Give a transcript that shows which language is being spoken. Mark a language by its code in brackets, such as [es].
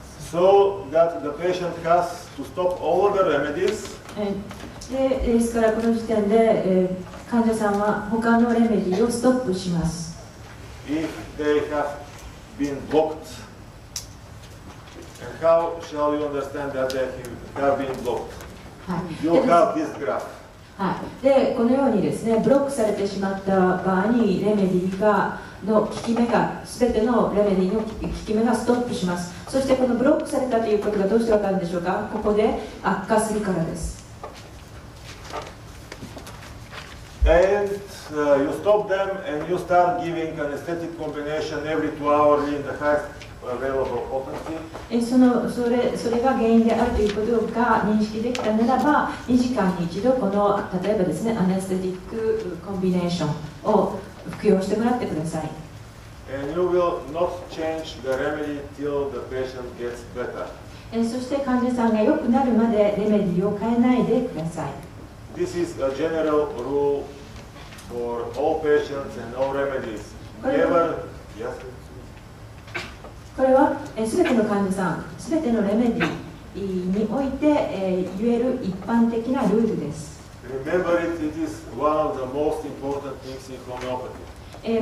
[en] So that the patient has to stop all of the remedies. [ja] ですから、この時点で、患者さんは他のレメディをストップします。 [en] If they have been blocked, and how shall you understand that they have been blocked? You have this graph. [ja] で、このようにですね、ブロックされてしまった場合にレメディがの効き目が、すべてのレメディの効き目がストップします。そしてこのブロックされたということがどうしてわかるんでしょうか？ここで悪化するからです。 [en] And you stop them and you start giving anesthetic combination every 2 hours in the highest available potency. [ja] それが原因であるということが認識できたならば、2時間に一度この例えばですね、アナステティックコンビネーションを服用してもらってください。 [en] And you will not change the remedy till the patient gets better. [ja] そして患者さんが良くなるまでレメディを変えないでください。 [en] This is a general rule for all patients and all remedies. Never, yes. [ja] これは全ての患者さん、全てのレメディにおいて、言える一般的なルールです。 [en] Remember it, it is one of the most important things in homeopathy.